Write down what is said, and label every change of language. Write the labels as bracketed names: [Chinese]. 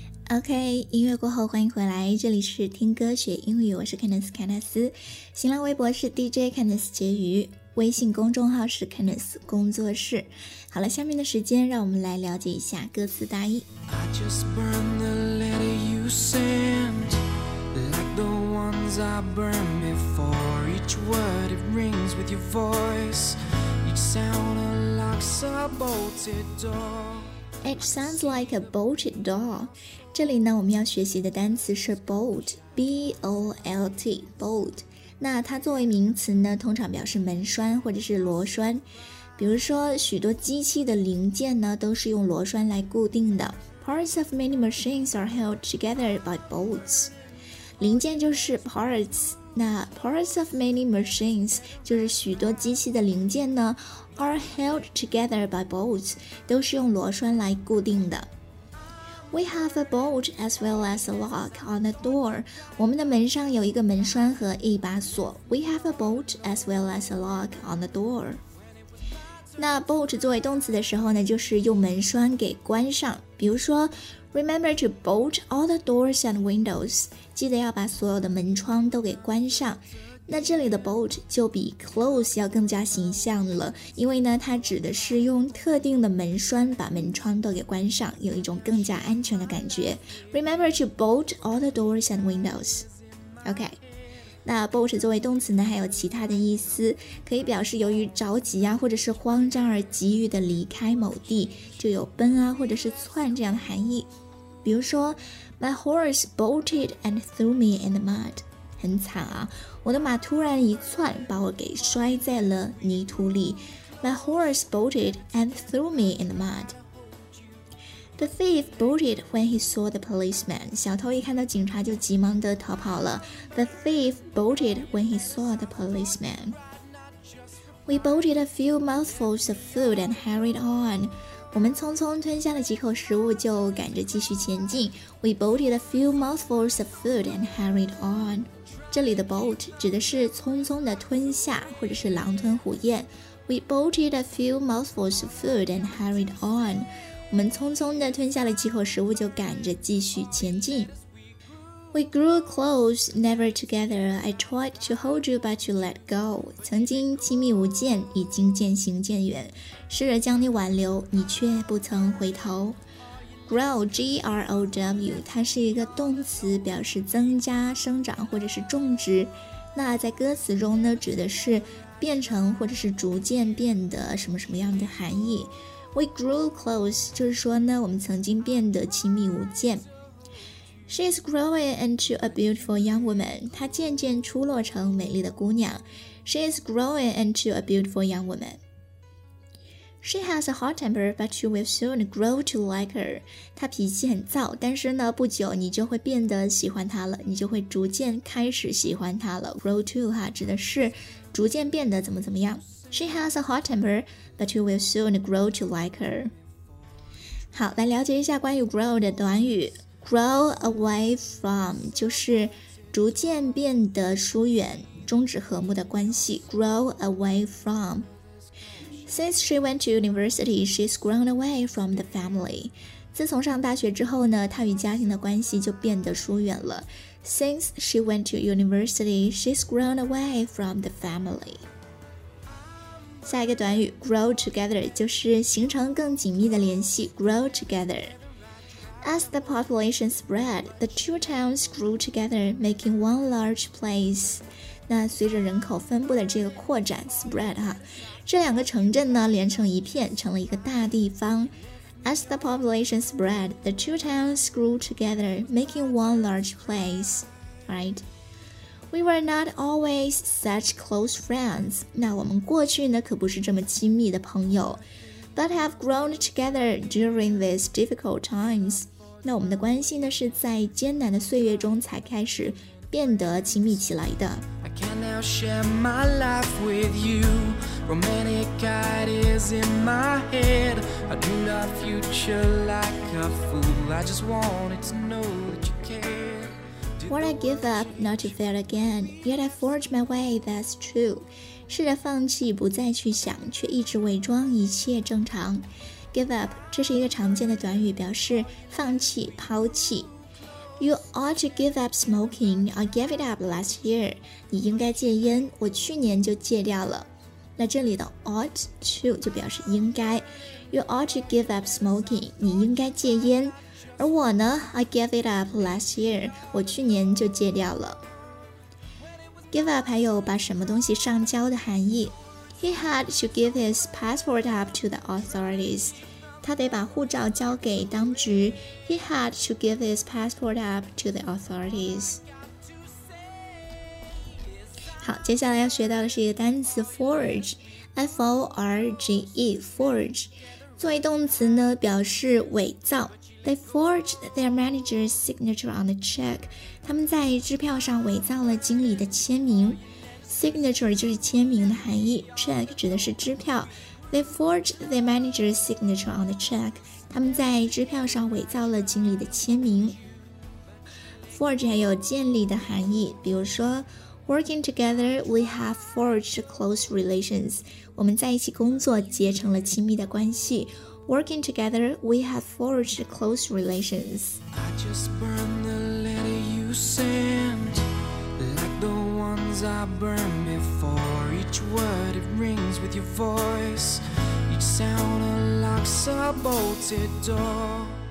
[Chinese] OK, 音乐过后欢迎回来，这里是听歌学英语，我是 Candice 凯纳斯，新浪微博是 DJ Candice 婕妤，微信公众号是 Candice 工作室。好了，下面的时间让我们来了解一下歌词大意。 [English] I just burned the letter you sent Like the ones I burned before Each word it rings with your voiceIt sounds like a bolted door [Chinese] 这里呢我们要学习的单词是 bolt B-O-L-T bolt 那它作为名词呢通常表示门栓或者是螺栓比如说许多机器的零件呢都是用螺栓来固定的 [English] Parts of many machines are held together by bolts [Chinese] 零件就是 parts 那 [English] parts of many machines [Chinese] 就是许多机器的零件呢 [English] are held together by bolts [Chinese] 都是用螺栓来固定的。 [English] We have a bolt as well as a lock on the door. [Chinese] 我们的门上有一个门栓和一把锁。 [English] We have a bolt as well as a lock on the door. [Chinese] 那 bolt 作为动词的时候呢，就是用门栓给关上。比如说 [English] ,Remember to bolt all the doors and windows. [Chinese] 记得要把所有的门窗都给关上。那这里的 bolt 就比 close 要更加形象了，因为呢它指的是用特定的门栓把门窗都给关上，有一种更加安全的感觉。 [English] Remember to bolt all the doors and windows. [Chinese] OK， 那 bolt 作为动词呢还有其他的意思，可以表示由于着急啊或者是慌张而急于的离开某地，就有奔啊或者是窜这样的含义。比如说 [English] My horse bolted and threw me in the mud. [Chinese] 很惨啊，我的马突然一窜把我给摔在了泥土里。 [English] My horse bolted and threw me in the mud. The thief bolted when he saw the policeman. [Chinese] 小偷一看到警察就急忙的逃跑了。 [English] The thief bolted when he saw the policeman. We bolted a few mouthfuls of food and hurried on. [Chinese] 我们匆匆吞下了几口食物就赶着继续前进。 [English] We bolted a few mouthfuls of food and hurried on. [Chinese] 这里的 bolt 指的是匆匆的吞下或者是狼吞虎咽。 [English] We bolted a few mouthfuls of food and hurried on. [Chinese] 我们匆匆的吞下了几口食物就赶着继续前进。 [English] We grew close, never together. I tried to hold you but you let go. [Chinese] 曾经亲密无间，已经渐行渐远，试着将你挽留，你却不曾回头。 Grow, G-R-O-W, 它是一个动词，表示增加、生长或者是种植。那在歌词中呢，指的是变成或者是逐渐变得什么什么样的含义。 [English] We grew close, [Chinese] 就是说呢，我们曾经变得亲密无间。 [English] She is growing into a beautiful young woman, [Chinese] 她渐渐出落成美丽的姑娘。 [English] She is growing into a beautiful young woman. She has a hot temper, but you will soon grow to like her. [Chinese] 她脾气很燥，但是呢，不久你就会变得喜欢她了，你就会逐渐开始喜欢她了。 Grow to 哈，指的是逐渐变得怎么怎么样。 [English] She has a hot temper, but you will soon grow to like her. [Chinese] 好，来了解一下关于 grow 的短语。Grow away from 就是逐渐变得疏远，终止和睦的关系。 [English] Grow away from. Since she went to university, she's grown away from the family. [Chinese] 自从上大学之后呢，她与家庭的关系就变得疏远了。 [English] Since she went to university, she's grown away from the family. [Chinese] 下一个短语 grow together 就是形成更紧密的联系 grow together. [English] As the population spread, the two towns grew together, making one large place. [Chinese] 那随着人口分布的这个扩展 spread 哈，这两个城镇呢连成一片，成了一个大地方。 [English] As the population spread, the two towns grew together, making one large place. Right? We were not always such close friends. [Chinese] 那我们过去呢可不是这么亲密的朋友。 [English] But have grown together during these difficult times. [Chinese] 那我们的关系呢是在艰难的岁月中才开始变得亲密起来的。 [English] Can now share my life with you. Romantic ideas in my head. I do not future like a fool. I just wanted to know that you care. What I give up not to fail again, yet I forge my way, that's true. [Chinese] 试着放弃不再去想，却一直伪装一切正常。 Give up, 这是一个常见的短语，表示放弃、抛弃。 [English] You ought to give up smoking. I gave it up last year. [Chinese] 你应该戒烟，我去年就戒掉了。那这里的 ought to 就表示应该。 [English] You ought to give up smoking. [Chinese] 你应该戒烟。而我呢 [English] ，I gave it up last year. [Chinese] 我去年就戒掉了。 Give up 还有把什么东西上交的含义。 [English] He had to give his passport up to the authorities. [Chinese] 他得把护照交给当局。 [English] He had to give his passport up to the authorities. [Chinese] 好，接下来要学到的是一个单词 forge, F-O-R-G-E, forge. 作为动词呢，表示伪造。 [English] They forged their manager's signature on the check. [Chinese] 他们在支票上伪造了经理的签名。Signature 就是签名的含义， check 指的是支票。 [English] They forged their manager's signature on the check. [Chinese] 他们在支票上伪造了经理的签名。 [English] Forge [Chinese] 还有建立的含义，比如说 [English] Working together, we have forged close relations. [Chinese] 我们在一起工作，结成了亲密的关系。 [English] Working together, we have forged close relations. I just burned the letter you sent, like the ones I burned before. Each word, it rings with your voice. Each sound unlocks a bolted door.